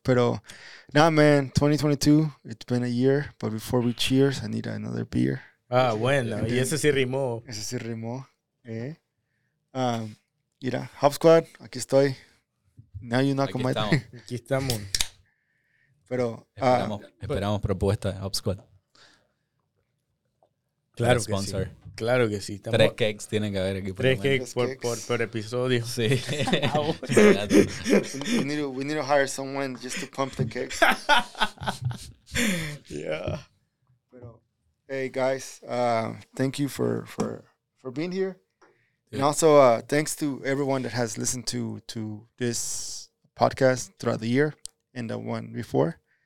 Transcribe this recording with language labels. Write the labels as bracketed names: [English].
[English] Pero, nah, man, 2022, it's been a year. But before we cheers, I need another beer. [Spanish] Ah, bueno. Y ese sí rimó. Ese sí rimó. Mira, Hop Squad, aquí estoy. [English] Now you knock on my door. [Spanish] Aquí estamos. Pero, esperamos propuesta de Hop Squad. Claro que sponsor. Sí. Claro que sí. Estamos... Tres cakes tienen que haber aquí. Tres cakes por episodio. Sí. [English] we need to hire someone just to pump the cakes. Yeah. Pero, hey, guys, thank you for being here. Yeah. And also, thanks to everyone that has listened to this podcast throughout the year and the one before.